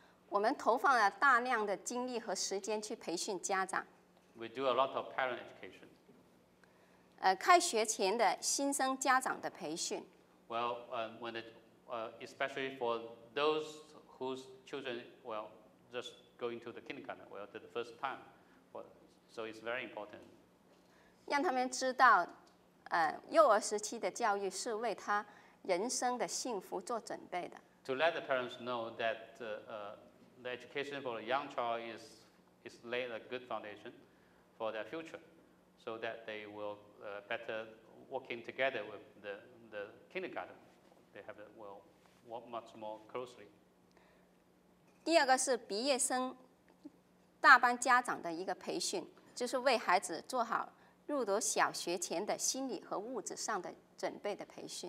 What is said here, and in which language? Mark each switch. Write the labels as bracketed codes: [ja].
[zh] 我们投放了大量的精力和时间去培训家长。 [en] We do a lot of parent education. [zh] 开学前的新生家长的培训。 [en] Well, especially for those whose children, well, just going to the kindergarten, well, the first time. Well, so it's very important. [zh] 让他们知道，幼儿时期的教育是为他人生的幸福做准备的。 [en] To let the parents know that the education for a young child is laid a good foundation for their future, so that they will better working together with the kindergarten. They have well, work much more closely. [zh] 第二个是毕业生大班家长的一个培训，就是为孩子做好入读小学前的心理和物质上的准备的培训。